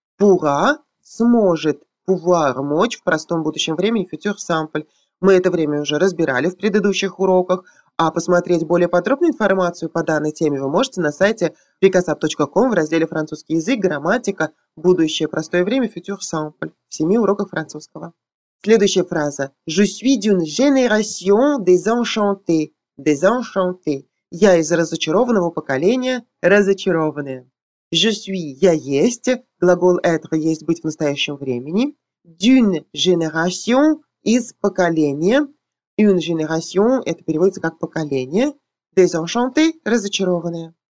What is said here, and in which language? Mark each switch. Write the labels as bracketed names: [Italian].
[Russian] «Pourra» – «сможет», «pouvoir» – «мочь» в простом будущем времени, future simple. Мы это время уже разбирали в предыдущих уроках, а посмотреть более подробную информацию по данной теме вы можете на сайте picasso.com в разделе «Французский язык», «Грамматика», «Будущее», «Простое время», «Future Simple» в 7 уроках французского. Следующая фраза. [French] «Je suis d'une génération désenchantée». «Désenchantée». [Russian] «Я из разочарованного поколения, разочарованная». «Je suis» – «я есть», глагол «être» – «есть», «быть» в настоящем времени. [French] «D'une génération» [Russian] – «из поколения». «Une génération» – это переводится как «поколение». «Désenchantée» – «разочарованная».